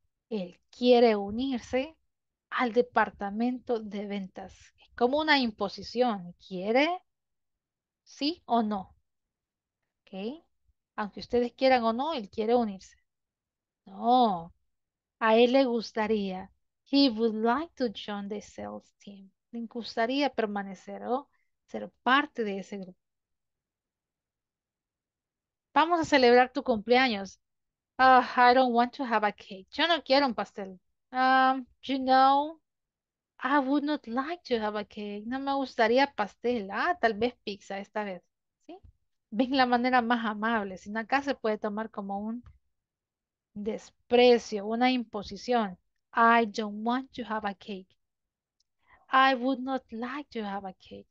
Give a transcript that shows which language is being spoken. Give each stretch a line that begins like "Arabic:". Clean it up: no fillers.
Spanish: Él quiere unirse al departamento de ventas. Es como una imposición. Quiere ¿Sí o no? ¿Ok? Aunque ustedes quieran o no, él quiere unirse. No. A él le gustaría.
English: He would like to join the sales team.
Spanish: Le gustaría permanecer o ser parte de ese grupo. Vamos a celebrar tu cumpleaños.
English: I don't want to have a cake.
Spanish: Yo no quiero un pastel.
English: You know, I would not like to have a cake.
Spanish: No me gustaría pastel. Ah, tal vez pizza esta vez. ¿Sí? Ven la manera más amable. Si no, acá se puede tomar como un desprecio, una imposición.
English: I don't want to have a cake. I would not like to have a cake.